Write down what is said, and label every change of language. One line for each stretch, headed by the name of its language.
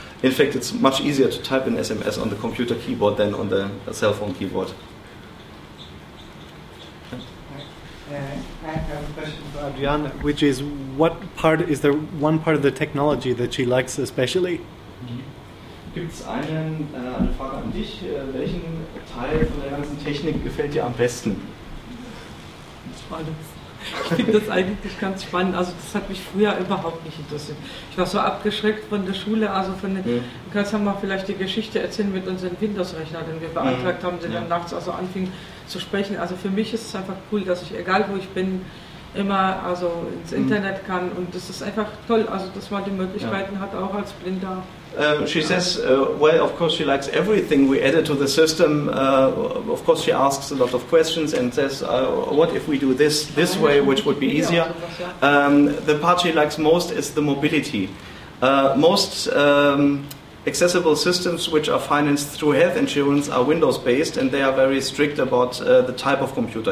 English: In fact, it's much easier to type an SMS on the computer keyboard than on the cell phone keyboard. I have a question for Adriana, which is, is there one part of the technology that she likes especially?
German: Gibt's eine Frage an dich, welchen Teil von der ganzen Technik gefällt dir am besten? Das war das. Ich finde das eigentlich ganz spannend. Also das hat mich früher überhaupt nicht interessiert. Ich war so abgeschreckt von der Schule, also von den, du kannst ja mal vielleicht die Geschichte erzählen mit unseren Windows-Rechner, den wir beantragt haben, den dann nachts also anfing zu sprechen. Also für mich ist es einfach cool, dass ich, egal wo ich bin, immer also ins Internet kann, und das ist einfach toll, also dass man die Möglichkeiten hat, auch als Blinder.
English: She says, well, of course she likes everything we added to the system. Of course she asks a lot of questions and says, what if we do this way, which would be easier? The part she likes most is the mobility. Most accessible systems which are financed through health insurance are Windows-based, and they are very strict about the type of computer.